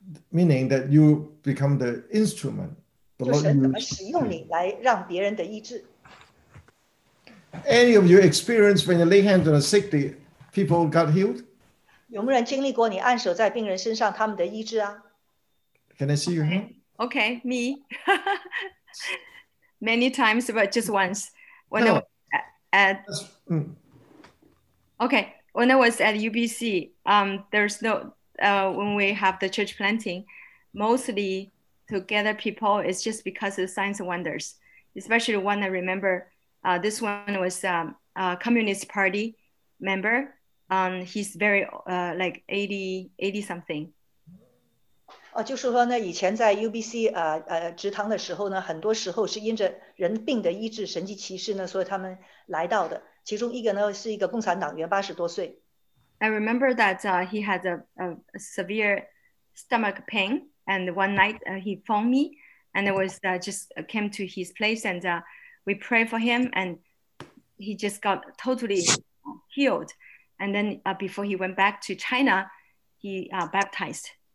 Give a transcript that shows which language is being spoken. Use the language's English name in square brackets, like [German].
[English] Meaning that you become the instrument. [Chinese] 就是怎么使用你来让别人的医治。 [English] Any of you experienced when you lay hands on a sick, the people got healed? [Chinese] 有没有人经历过你按手在病人身上他们的医治啊？ [English] Can I see your hand? Okay, me. Many times, but just once. When no. I was Okay, when I was at UBC, there's no when we have the church planting, mostly. To gather people is just because of signs and wonders, especially one I remember. This one was a Communist Party member. He's very like 80 something. [Chinese] 就是说呢，以前在 UBC 职堂的时候呢，很多时候是因着人病的医治、神迹奇事呢，所以他们来到的。其中一个呢是一个共产党员，80多岁。 [English] I remember that he had a severe stomach pain. And one night he phoned me, and it was just came to his place, and we prayed for him, and he just got totally healed. And then before he went back to China, he baptized.